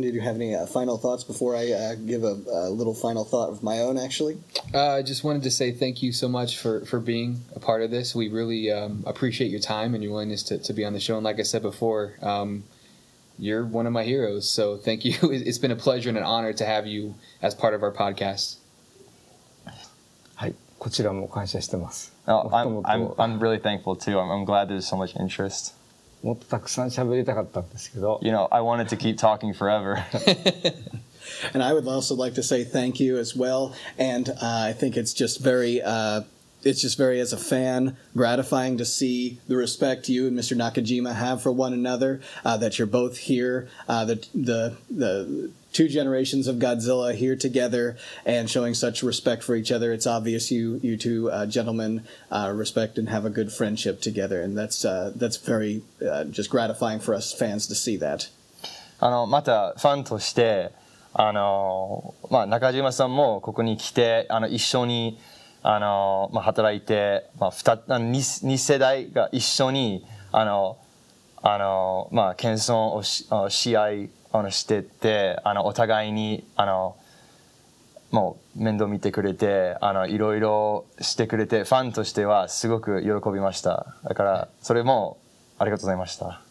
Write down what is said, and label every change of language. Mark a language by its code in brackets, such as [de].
[en] Did you have any final thoughts before I give a little final thought of my own, actually? I just wanted to say thank you so much for being a part of this. We really appreciate your time and your willingness to be on the show. And like I said before, you're one of my heroes. So thank you. It's been a pleasure and an honor to have you as part of our podcast. [ja] はい、こちらも感謝してます。 [en] I'm really thankful too. I'm glad there's so much interest. [ja] もっとたくさん喋りたかったんですけど。 [en] You know, I wanted to keep talking forever. And I would also like to say thank you as well. And I think it's just very, as a fan, gratifying to see the respect you and Mr. Nakajima have for one another, that you're both here, the two generations of Godzilla here together and showing such respect for each other. It's obvious you two gentlemen respect and have a good friendship together. And that's very just gratifying for us fans to see that. [ja] またファンとして、まあ、中島さんもここに来て一緒に働いて、まあ、2世代が一緒にまあ、謙遜を試合してってお互いにもう面倒見てくれていろいろしてくれてファンとしてはすごく喜びましただからそれもありがとうございました